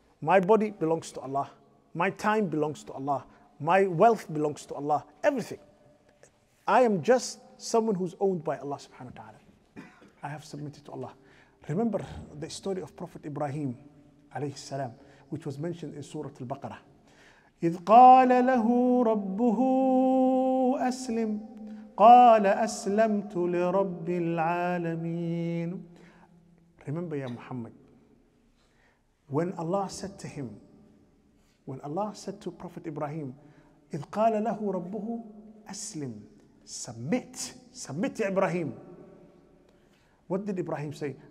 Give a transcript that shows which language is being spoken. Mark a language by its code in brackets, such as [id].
[en] My body belongs to Allah. My time belongs to Allah. My wealth belongs to Allah. Everything. I am just someone who's owned by Allah subhanahu wa ta'ala. I have submitted to Allah. Remember the story of Prophet Ibrahim alayhi salam, which was mentioned in Surah Al-Baqarah. [ar] إِذْ قَالَ لَهُ رَبُّهُ أَسْلِمْ قال أسلمت لرب العالمين. [en] Remember, ya Muhammad, when Allah said to him, When Allah said to Prophet Ibrahim, [ar] إِذْ قَالَ لَهُ رَبُّهُ أَسْلِمْ, [en] submit, submit to Ibrahim. What did Ibrahim say?